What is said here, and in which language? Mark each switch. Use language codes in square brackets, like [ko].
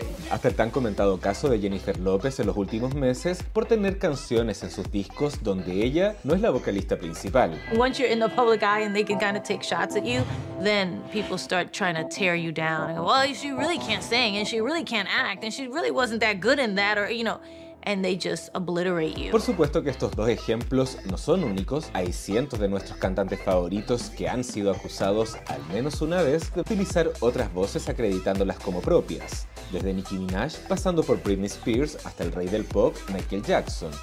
[es] Hasta el tan comentado caso de Jennifer López en los últimos meses por tener canciones en sus discos donde ella no es la vocalista principal. [en] Once you're in the public eye and they can kind of take shots at you, then people start trying to tear you down. And go, well, she really can't sing and she really can't act and she really wasn't that good in that, or you know. And they just obliterate you. [es] Por supuesto que estos dos ejemplos no son únicos. Hay cientos de nuestros cantantes favoritos que han sido acusados al menos una vez de utilizar otras voces acreditándolas como propias. Desde Nicki Minaj, pasando por Britney Spears, hasta el rey del pop, Michael Jackson.